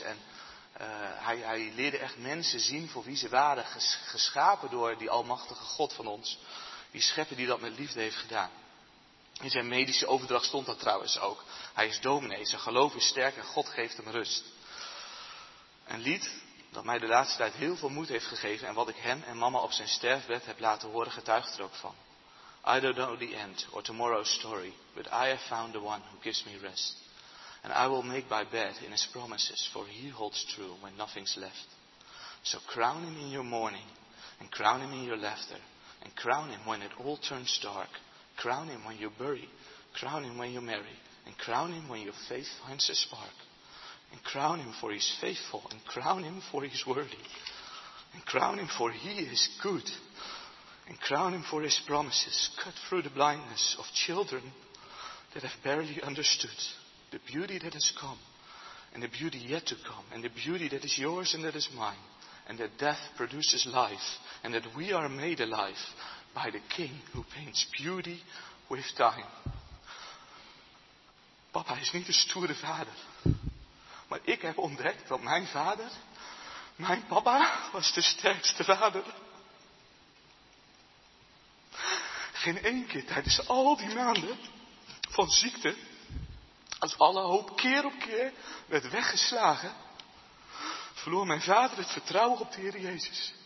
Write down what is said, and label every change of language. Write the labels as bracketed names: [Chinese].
[Dutch] En hij leerde echt mensen zien voor wie ze waren, geschapen door die almachtige God van ons, die schepper die dat met liefde heeft gedaan. In zijn medische overdracht stond dat trouwens ook. Hij is dominee, zijn geloof is sterk en God geeft hem rust. Een lied dat mij de laatste tijd heel veel moed heeft gegeven en wat ik hem en mama op zijn sterfbed heb laten horen, getuigt er ook van. [English] I don't know the end or tomorrow's story, but I have found the one who gives me rest. And I will make my bed in his promises, for he holds true when nothing's left. So crown him in your mourning, and crown him in your laughter, and crown him when it all turns dark. Crown him when you bury, crown him when you marry, and crown him when your faith finds a spark. And crown him for he's faithful, and crown him for he's worthy. And crown him for he is good, and crown him for his promises, cut through the blindness of children that have barely understood the beauty that has come, and the beauty yet to come, and the beauty that is yours and that is mine, and that death produces life, and that we are made alive, by the king who paints beauty with time. [Dutch] Papa is niet een stoere vader. Maar ik heb ontdekt dat mijn vader, mijn papa, was de sterkste vader. Geen één keer tijdens al die maanden van ziekte, als alle hoop keer op keer werd weggeslagen, verloor mijn vader het vertrouwen op de Heer Jezus.